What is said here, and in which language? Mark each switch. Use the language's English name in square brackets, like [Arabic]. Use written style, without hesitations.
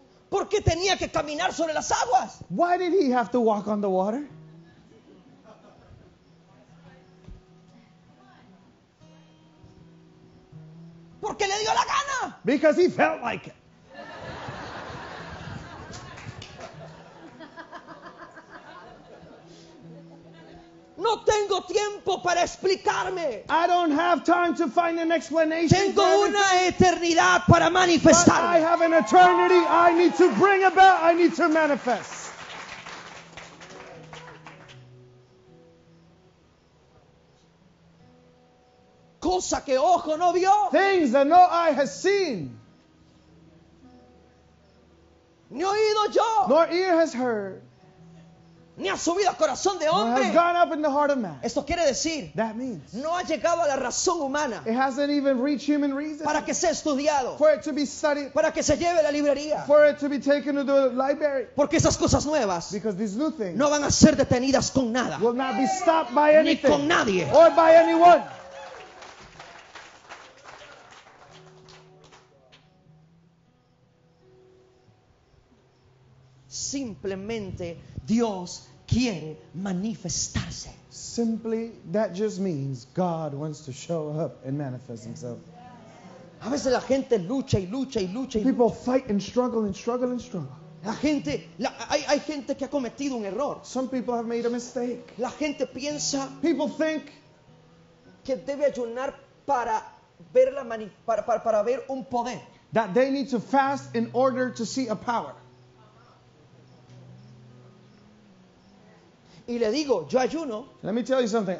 [Spanish] ¿Por qué tenía que caminar sobre las aguas? [English] Why did he have to walk on the water? [Spanish] Porque le dio la gana. [English] Because he felt like it. [Spanish] No tengo tiempo para explicarme. [English] I don't have time to find an explanation. [Spanish] Tengo una eternidad para manifestar. [English] I have an eternity I need to bring about, I need to manifest. [Spanish] Cosa que ojo no vio. [English] Things that no eye has seen. [Spanish] Ni oído yo. [English] Nor ear has heard. [Spanish] Ni ha subido al corazón de hombre. [English] Nor has gone up in the heart of man. [Spanish] Esto quiere decir. [English] That means. [Spanish] No ha llegado a la razón humana. [English] It hasn't even reached human reason. [Spanish] Para que sea estudiado. [English] For it to be studied. [Spanish] Para que se lleve a la librería. [English] For it to be taken to the library. [Spanish] Porque esas cosas nuevas. [English] Because these new things. [Spanish] No van a ser detenidas con nada. [English] Will not be stopped by anything. [Spanish] Ni con nadie. [English] Or by anyone. [Spanish] Simplemente Dios quiere manifestarse. [English] Simply, that just means God wants to show up and manifest himself. [Spanish] A veces la gente lucha y lucha y lucha. [English] People fight and struggle and struggle and struggle. [Spanish] La gente, hay gente que ha cometido un error. [English] Some people have made a mistake. [Spanish] La gente piensa. [English] People think [Spanish] que debe ayunar para ver la para ver un poder. [English] That they need to fast in order to see a power. [Spanish] Y le digo, yo ayuno. [English] Let me tell you something.